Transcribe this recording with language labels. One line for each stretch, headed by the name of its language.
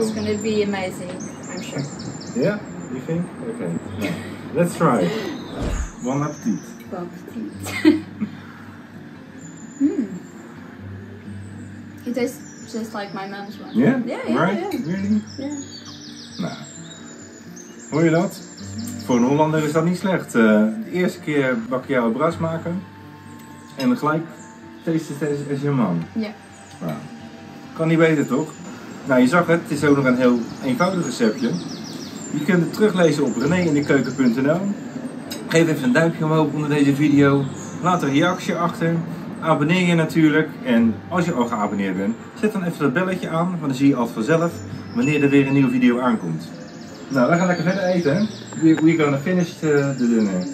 English: it's gonna be amazing, I'm sure. Yeah, you think? Okay. Yeah. Let's try. Bon appetit. Bon appetit. It tastes just like my mom's one. Yeah. Yeah. Right. Yeah. Really? Yeah.
Dutch: Nah. Hoor je dat? Voor een Hollander is dat niet slecht. De eerste keer bacalhau Brás maken en gelijk
English: taste it as your mom. Yeah.
Dutch: Wow. Kan niet beter, toch? Nou, je zag het. Het is ook nog een heel eenvoudig receptje. Je kunt het teruglezen op reneindekeuken.nl. Geef even een duimpje omhoog onder deze video. Laat een reactie achter. Abonneer je natuurlijk. En als je al geabonneerd bent, zet dan even dat belletje aan. Want dan zie je altijd vanzelf wanneer er weer een nieuwe video aankomt. Nou, we gaan lekker verder eten.
English: We're gonna finish the dinner.